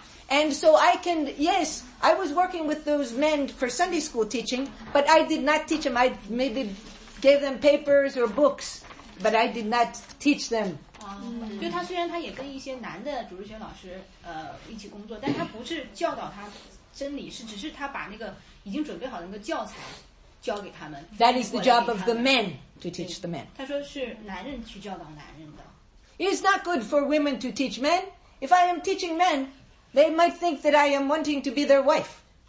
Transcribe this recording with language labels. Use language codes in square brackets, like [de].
[en] And so I can, yes, I was working with those men for Sunday school teaching, but I did not teach them. I maybe gave them papers or books, but I did not teach them. [zh] 就他虽然他也跟一些男的主日学老师一起工作，但他不是教导他真理，是只是他把那个已经准备好的那个教材交给他们。 [en] That is the job of the men to teach the men. [zh] 他说是男人去教导男人的。 [en] It's not good for women to teach men. If I am teaching men... They might think that I am wanting to be their wife.